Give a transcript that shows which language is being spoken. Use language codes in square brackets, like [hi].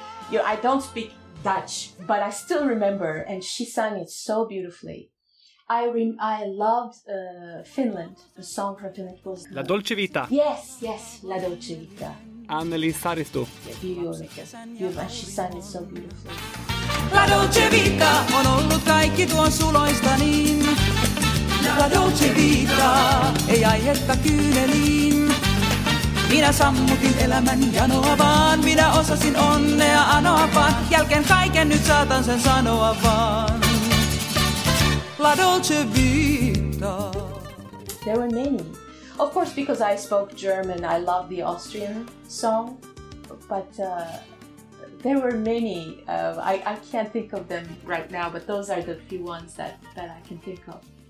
[en] You know, I don't speak Dutch, but I still remember, and she sang it so beautifully. I loved Finland. The song from Finland was La Dolce Vita. Yes, La Dolce Vita. Anneli Saristo. Beautiful. She sang it so beautifully. [fi] La Dolce Vita, on ollut kaikki tuon suloista niin. La Dolce Vita, ei aihetta kyyneliin. Minä sammutin elämän janoa vaan, minä osasin onnea anoa vaan. Jälkeen kaiken nyt saatan sen sanoa vaan. [en] La Dolce Vita. There were many. Of course, because I spoke German, I love the Austrian song. But there were many. I can't think of them right now, but those are the few ones that I can think of.